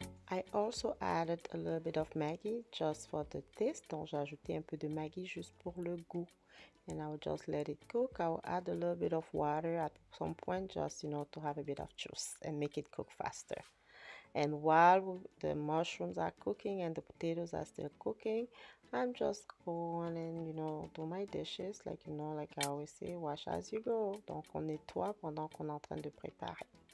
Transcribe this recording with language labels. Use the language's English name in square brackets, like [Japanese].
[English] I also added a little bit of Maggi just for the taste. [French] Donc j'ai ajouté un peu de Maggi juste pour le goût. [English] And I'll just let it cook. I'll add a little bit of water at some point just, you know, to have a bit of juice and make it cook faster. And while the mushrooms are cooking and the potatoes are still cooking, I'm just going and, you know, do my dishes. Like, you know, like I always say, wash as you go. [French] Donc on nettoie pendant qu'on est en train de préparer.